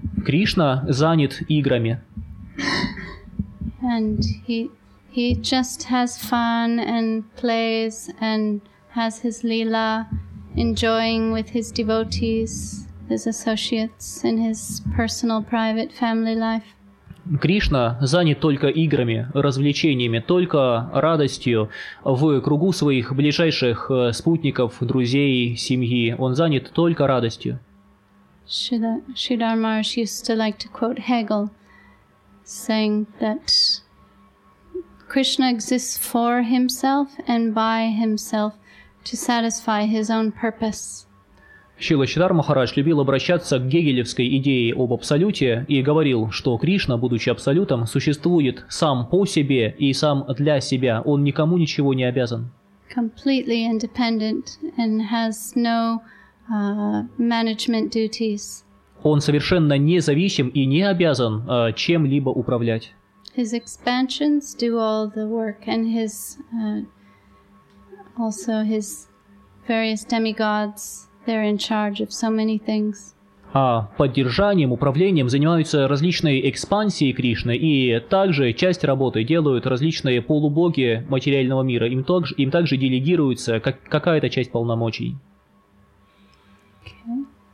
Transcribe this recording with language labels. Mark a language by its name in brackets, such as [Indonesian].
[Russian] Кришна занят играми. [English] And he just has fun and plays and has his lila, enjoying with his devotees, his associates, in his personal, private, family life. [Russian] Кришна занят только играми, развлечениями, только радостью в кругу своих ближайших спутников, друзей, семьи. Он занят только радостью. [English] Sridhar Maharaj used to like to quote Hegel, saying that Krishna exists for himself and by himself to satisfy his own purpose. [Russian] Шрила Сиддхарта Махарадж любил обращаться к гегелевской идее об абсолюте и говорил, что Кришна, будучи абсолютом, существует сам по себе и сам для себя. Он никому ничего не обязан. [English] Completely independent and has no management duties. [Russian] Он совершенно независим и не обязан чем-либо управлять. [English] His expansions do all the work and his also his various demigods. They're in charge of so many things. [Russian] А поддержанием, управлением занимаются различные экспансии Кришны, и также часть работы делают различные полубоги материального мира. Им также делегируется какая-то часть полномочий. [English] Okay.